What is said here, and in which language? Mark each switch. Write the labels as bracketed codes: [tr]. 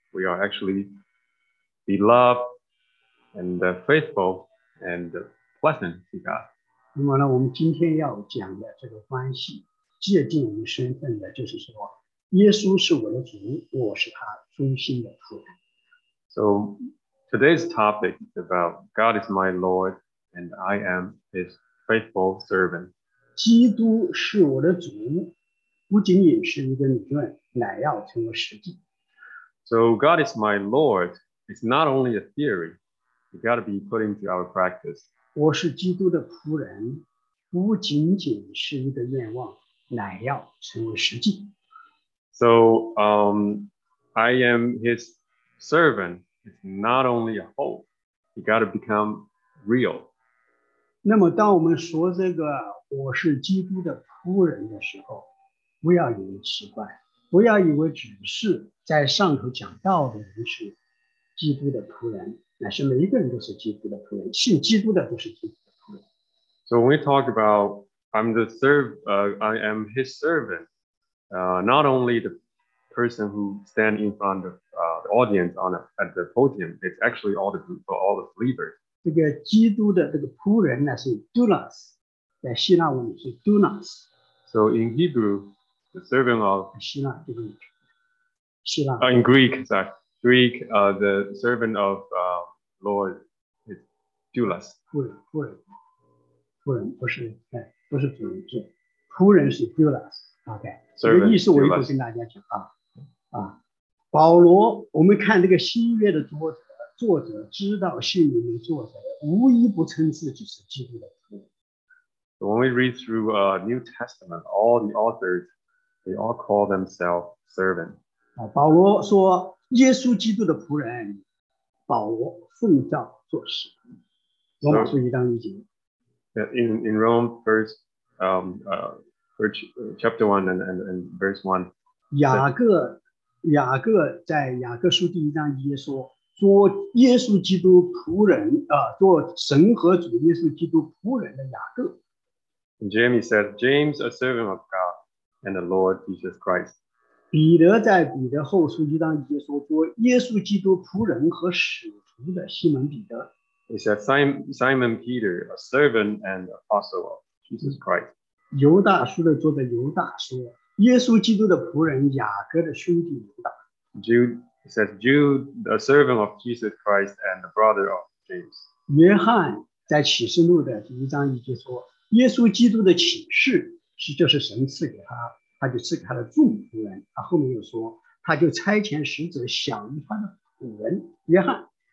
[en] We are actually beloved. And faithful and pleasant to God. [zh] 那么呢，我们今天要讲的这个关系界定于身份的，就是说，耶稣是我的主，我是他忠心的仆人。 [en] So today's topic is about God is my Lord and I am His faithful servant. [zh] 基督是我的主，不仅仅是一个理论，乃要成为实际。 [en] So God is my Lord. It's not only a theory. We got to be put into our practice. [zh] 我是基督的仆人，不仅仅是一个愿望，乃要成为实际。 [en] So I am his servant. It's not only a hope. You got to become real. [zh] 那么当我们说这个我是基督的仆人的时候，不要以为奇怪，不要以为只是在上头讲道的人是基督的仆人，乃是每一个人都是基督的仆人，信基督的都是基督的仆人。 [en] So when we talk about I am his servant, not only the person who stand in front of the audience at the podium, it's actually all the group, all the believers. [zh] 这个基督的这个仆人呢是 dunas， 在希腊文是 dunas。 [en] So in Hebrew, the servant of [zh] 希腊就是希腊。 [en] In Greek, sorry, Greek, the servant of Lord is dunas. [zh] 仆人不是哎。不是主人，是仆人是 dulas。 OK， 这个意思我一会儿跟大家讲啊。啊，保罗，我们看这个新约的作者知道信里面作者，无一不称自己是基督的仆人。 [en] When we read through New Testament, all the authors, they all call themselves servant. [zh] 啊，保罗说耶稣基督的仆人，保罗奉召做事。罗马书一章一节。 [en] In Rome, chapter 1 and verse 1. [zh] 雅各在雅各书第一章一节说，做耶稣基督仆人，做神和主耶稣基督仆人的雅各。 [en] Jamie said, James, a servant of God and the Lord Jesus Christ. [zh] 彼得在彼得后书一章一节说，做耶稣基督仆人和使徒的西门彼得。 [en] He said, Simon Peter, a servant and apostle of Jesus Christ. [zh] 犹大书的作者犹大说，耶稣基督的仆人雅各的兄弟犹大。 [en] Jude says, Jude, a servant of Jesus Christ and the brother of James. [zh] 约翰在启示录的第一章一节说，耶稣基督的启示是就是神赐给他，他就赐给他的众仆人。他后面又说，他就差遣使者晓谕他的仆人约翰。